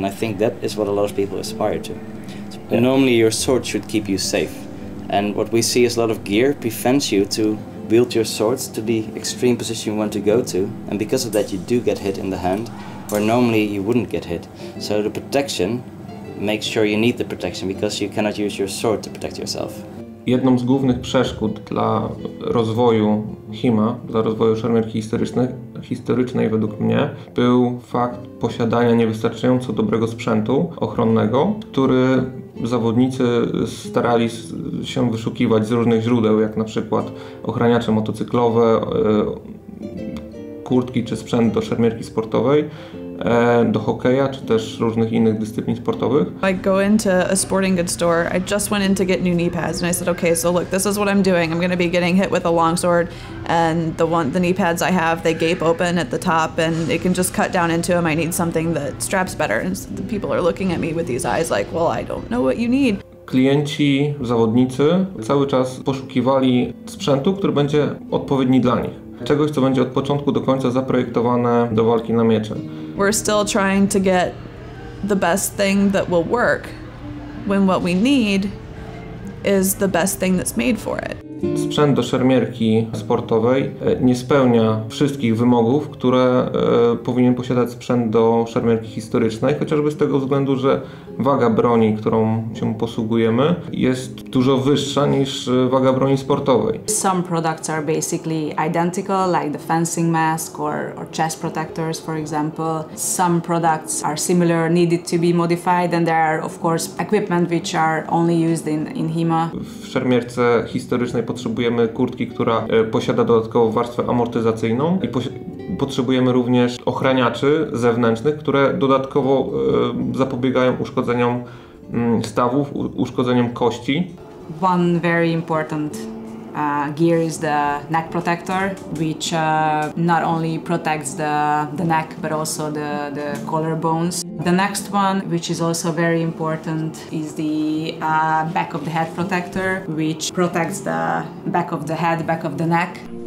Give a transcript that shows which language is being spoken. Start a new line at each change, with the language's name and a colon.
English: And I think that is what a lot of people aspire to. Yeah. Normally your sword should keep you safe, and what we see is a lot of gear prevents you to wield your swords to the extreme position you want to go to, and because of that you do get hit in the hand where normally you wouldn't get hit. So the protection makes sure you need the protection because you cannot use your sword to protect yourself.
Polish: Jedną z głównych przeszkód dla rozwoju HEMA, dla rozwoju szermierki historycznej według mnie, był fakt posiadania niewystarczająco dobrego sprzętu ochronnego, który zawodnicy starali się wyszukiwać z różnych źródeł, jak na przykład ochraniacze motocyklowe, kurtki czy sprzęt do szermierki sportowej. do hokeja, czy też różnych innych dyscyplin sportowych.
English: I go into a sporting goods store. I just went in to get new knee pads, and I said, okay, so look, this is what I'm doing. I'm going to be getting hit with a longsword, and the knee pads I have, they gape open at the top, and it can just cut down into them. I need something that straps better. And so the people are looking at me with these eyes like, well, I don't know what you need.
Polish: Klienci, zawodnicy cały czas poszukiwali sprzętu, który będzie odpowiedni dla nich. Czegoś, co będzie od początku do końca zaprojektowane do walki na miecze.
English: We're still trying to get the best thing that will work when what we need is the best thing that's made for it.
Polish: Sprzęt do szermierki sportowej nie spełnia wszystkich wymogów, które powinien posiadać sprzęt do szermierki historycznej, chociażby z tego względu, że waga broni, którą się posługujemy, jest dużo wyższa niż waga broni sportowej.
English: Some products are basically identical, like the fencing mask or chest protectors, for example. Some products are similar, needed to be modified, and there are of course equipment which are only used in HEMA.
Polish: W szermierce historycznej potrzebujemy kurtki, która posiada dodatkową warstwę amortyzacyjną i potrzebujemy również ochraniaczy zewnętrznych, które dodatkowo zapobiegają uszkodzeniom stawów, uszkodzeniom kości.
English: One very important gear is the neck protector, which not only protects the neck, but also the collarbones. The next one, which is also very important, is the back of the head protector, which protects the back of the head, back of the neck.